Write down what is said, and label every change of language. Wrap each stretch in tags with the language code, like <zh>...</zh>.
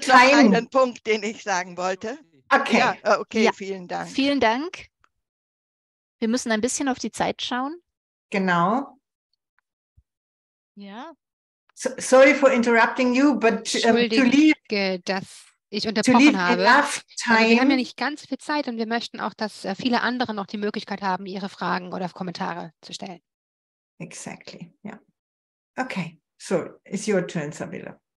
<de>Ich habe noch einen Punkt, den ich sagen wollte. Okay. Vielen Dank. Vielen Dank. Wir müssen ein bisschen auf die Zeit schauen. Genau. Ja.</de> <en>Sorry for interrupting you, but</en> <de>Entschuldige, dass ich unterbrochen habe. Wir haben ja nicht ganz viel Zeit und wir möchten auch, dass viele andere noch die Möglichkeit haben, ihre Fragen oder Kommentare zu stellen.</de> <en>Exactly, ja. Yeah. Okay, so it's your turn, Sabelo.</en>